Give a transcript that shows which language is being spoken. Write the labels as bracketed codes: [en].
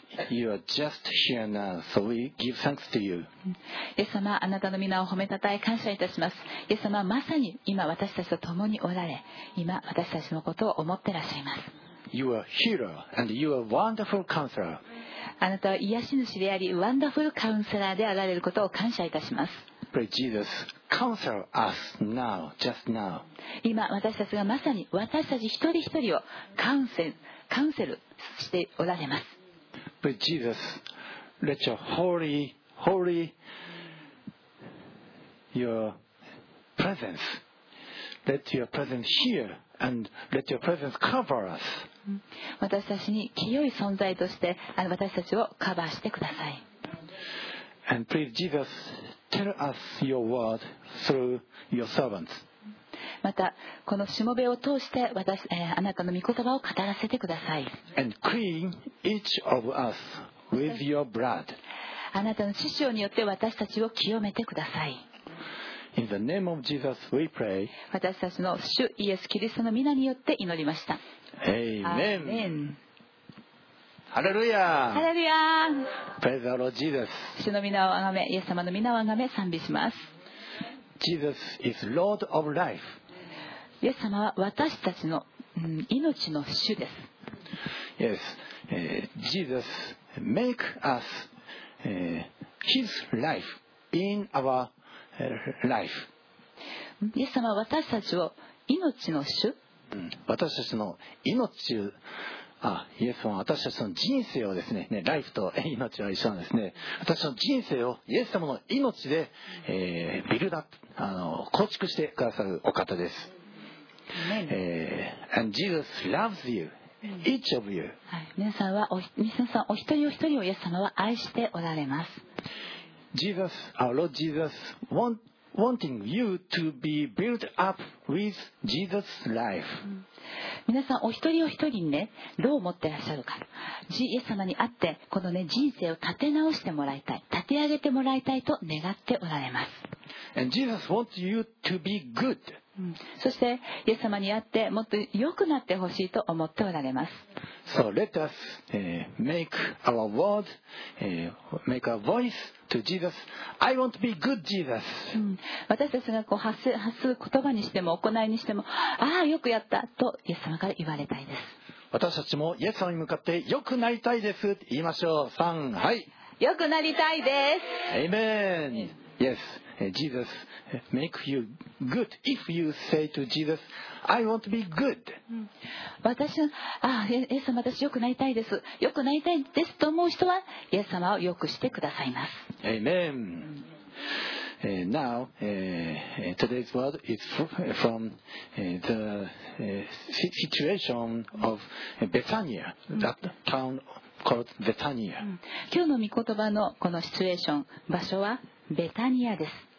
[en] You are just here now, so we give thanks to you. [ja] イエス様、あなたの皆を褒めたたえ感謝いたします。イエス様、まさに今私たちと共におられ、今私たちのことを思ってらっしゃいます。 [en] You are a hero and you are a wonderful counselor. [ja] あなたは癒し主であり、ワンダフルカウンセラーであられることを感謝いたします。 [en] Pray Jesus, counsel us now, just now. [ja] 今、私たちがまさに私たち一人一人をカウンセルしておられます。 [en] Pray Jesus, let your presence here and let your presence cover us. [ja] 私たちに清い存在として私たちをカバーしてください。 [en] And please Jesus, tell us your word through your servants. [ja] またこのしもべを通して私、あなたの御言葉を語らせてください。 [en] And clean each of us with your blood. [ja] あなたの血潮によって私たちを清めてください。 [en] In the name of Jesus, we pray. [ja] 私たちの主イエス・キリストの御名によって祈りました。 [en] Amen. Amen. ハレルヤ、 [ja] ハレルヤ、 [en] プレイズ・ザ・ロード・ジーザス、 [ja] 主の皆をあがめ、イエス様の皆をあがめ、賛美します。 [en] ジーザス is Lord of life. [ja] イエス様は私たちの、命の主です。 [en] Yes, Jesus make us his life in our life. [ja] イエス様は私たちを命の主、私たちの命、イエス様は私たちの人生をですね、ね、ライフと命は一緒なんですね。私たちの人生をイエス様の命で、ビルダップ、構築してくださるお方です。 [en] And Jesus loves you, each of you. [ja] 皆さんはお、皆さんお一人お一人をイエス様は愛しておられます。 [en] Jesus, our Lord Jesus, wanting you to be built up with Jesus' life. [ja] 皆さんお一人お一人にね、どう思ってらっしゃるか、イエス様に会ってこのね、人生を立て直してもらいたい、立て上げてもらいたいと願っておられます。 [en] And Jesus wants you to be good. [ja] そしてイエス様に会ってもっと良くなってほしいと思っておられます。 [en] So let us make our word, make our voice. Jesus. I want to be good, Jesus. [ja] 私たちがこう発する言葉にしても行いにしても、ああよくやったとイエス様から言われたいです。私たちもイエス様に向かってよくなりたいですって言いましょう。三、はい。よくなりたいです。 [en] Amen. Yes. Jesus, make you good. If you say to Jesus, I want to be good. [ja] 私はイエス様、私よくなりたいです。よくなりたいですと思う人はイエス様をよくしてくださいます。 [en] Amen. Now, today's word is from the situation of Bethania, that town called Bethania. [ja] 今日の御言葉のこのシチュエーション、場所はベタニアです。